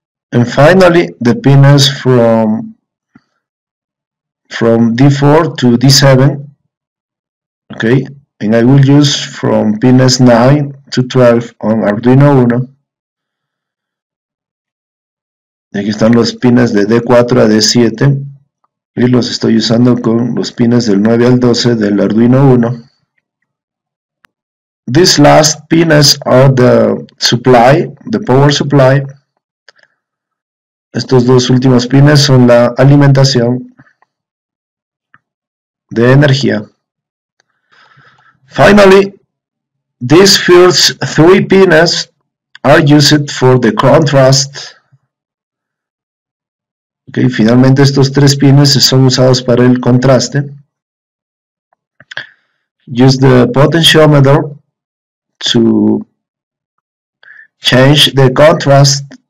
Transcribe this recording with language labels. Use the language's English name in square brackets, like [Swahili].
[English] And finally, the pins from D4 to D7. Okay, and I will use from pins 9 to 12 on Arduino 1. [Spanish] Y aquí están los pines de D4 a D7. Y los estoy usando con los pines del 9 al 12 del Arduino 1. [English] These last pins are the power supply. [Spanish] Estos dos últimos pines son la alimentación de energía. [English] Finally, these first 3 pins are used for the contrast. [Spanish] Okay, finalmente estos 3 pines son usados para el contraste. [English] Use the potentiometer to change the contrast.